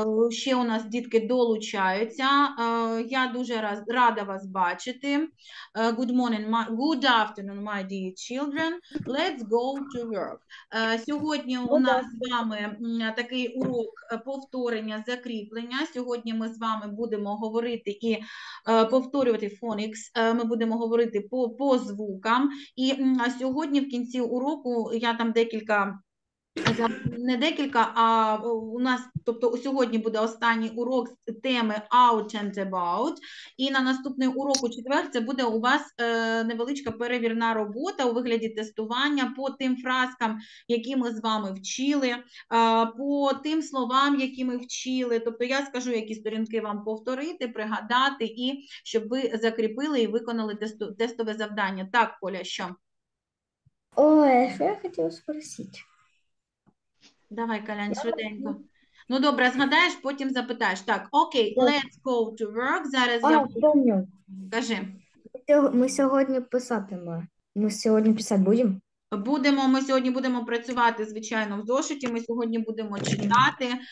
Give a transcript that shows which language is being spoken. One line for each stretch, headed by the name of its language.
Ukrainian: Ще у нас дітки долучаються. Я дуже рада вас бачити.
English: Good morning, good afternoon, my dear children. Let's go to work.
Ukrainian: Сьогодні у нас з вами такий урок повторення, закріплення. Сьогодні ми з вами будемо говорити і повторювати фонікс. Ми будемо говорити по звукам. І сьогодні в кінці уроку я там декілька. Не декілька, а у нас, тобто сьогодні буде останній урок з теми Out and About, і на наступний урок у четвер це буде у вас невеличка перевірна робота у вигляді тестування по тим фразкам, які ми з вами вчили, по тим словам, які ми вчили. Тобто я скажу, які сторінки вам повторити, пригадати, і щоб ви закріпили і виконали тестове завдання. Так, Поля, що? Ой, що я хотіла спросити? Давай, Калян, швиденько. Я Ну, добре, згадаєш, потім запитаєш.
English: Так, окей, let's go to work.
Ukrainian: Зараз я буду. Даню, Кажи. ми сьогодні писатимемо. Ми сьогодні писати будемо? Ми сьогодні будемо працювати, звичайно, в зошиті. Ми сьогодні будемо читати.